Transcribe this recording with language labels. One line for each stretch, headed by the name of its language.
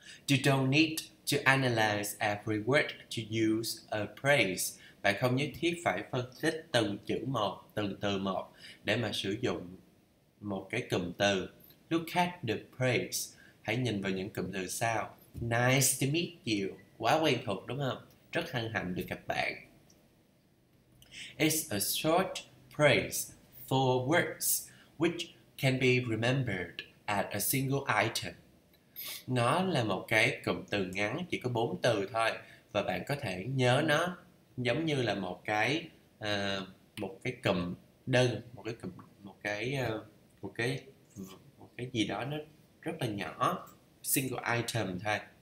English: You don't need to analyze every word to use a phrase.
Vietnamese: Bạn không nhất thiết phải phân tích từng chữ một, từng từ một để mà sử dụng một cái cụm từ.
English: Look at the phrase.
Vietnamese: Hãy nhìn vào những cụm từ sau.
English: Nice to meet you.
Vietnamese: Quá quen thuộc đúng không? Rất hân hạnh được gặp bạn.
English: It's a short phrase for words which can be remembered as a single item.
Vietnamese: Nó là một cái cụm từ ngắn, chỉ có 4 từ thôi và bạn có thể nhớ nó giống như là một cái cụm đơn, một cái gì đó nó rất là nhỏ,
English: single item
Vietnamese: thôi.